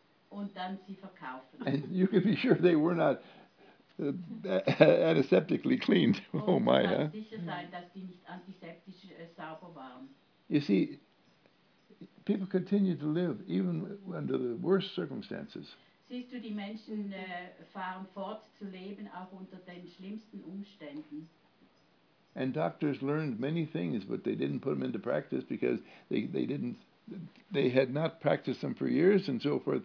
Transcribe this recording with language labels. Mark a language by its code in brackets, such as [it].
[de] Und dann sie verkaufen. [en] And you can be sure they were not antiseptically cleaned. Oh my, huh? You see, people continue to live even under the worst circumstances. [de] Siehst du, die Menschen fahren fort zu leben, auch unter den schlimmsten Umständen. [en] And doctors learned many things, but they didn't put them into practice because they had not practiced them for years and so forth.